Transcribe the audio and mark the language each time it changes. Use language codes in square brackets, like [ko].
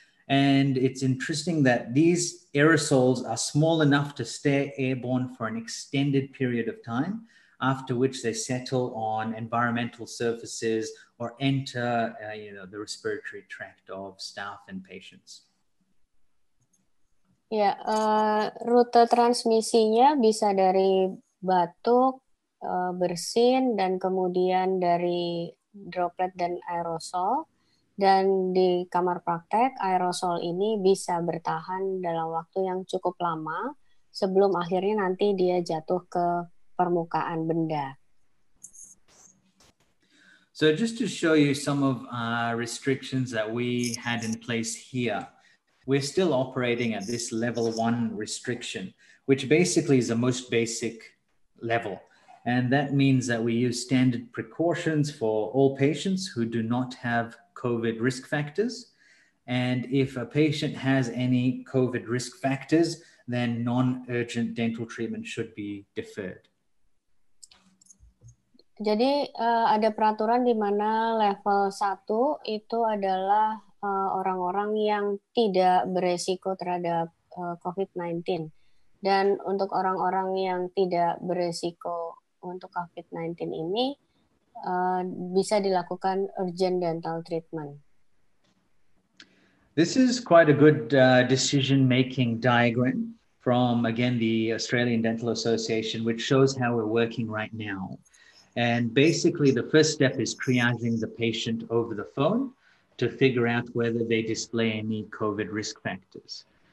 [en] And it's interesting that these aerosols are small enough to stay airborne for an extended period of time, after which they settle on environmental surfaces or enter the respiratory tract of staff and patients. [id] Ya, rute transmisinya bisa dari batuk, bersin, dan kemudian dari droplet dan aerosol. Dan di kamar praktek, aerosol ini bisa bertahan dalam waktu yang cukup lama sebelum akhirnya nanti dia jatuh ke permukaan benda. [en] So just to show you some of our restrictions that we had in place here, we're still operating at this level one restriction, which basically is the most basic level. And that means that we use standard precautions for all patients who do not have COVID risk factors. And if a patient has any COVID risk factors, then non-urgent dental treatment should be deferred. [id] Jadi ada peraturan di mana level 1 itu adalah orang-orang yang tidak beresiko terhadap COVID-19. Dan untuk orang-orang yang tidak beresiko untuk COVID-19 ini bisa dilakukan urgent dental treatment. [en] This is quite a good decision-making diagram from, again, the Australian Dental Association, which shows how we're working right now. And basically, the first step is triaging the patient over the phone to figure out whether they display any COVID risk factors.